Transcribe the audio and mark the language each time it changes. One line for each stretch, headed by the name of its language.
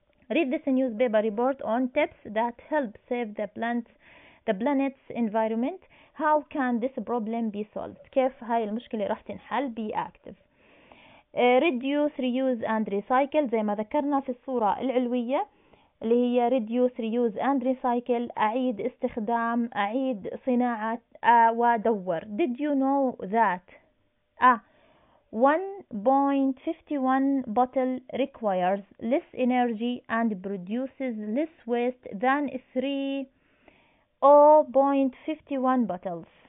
English: Read this newspaper report on tips that help save the planet's environment. How can this problem be solved?
Arabic: كيف هاي المشكلة راح تنحل؟
English: Be active. Reduce, reuse and recycle.
Arabic: زي ما ذكرنا في الصورة العلوية اللي هي
English: reduce, reuse and recycle.
Arabic: أعيد استخدام، أعيد صناعة ودور.
English: Did you know that? 1.51 bottle requires less energy and produces less waste than 3.51 bottles.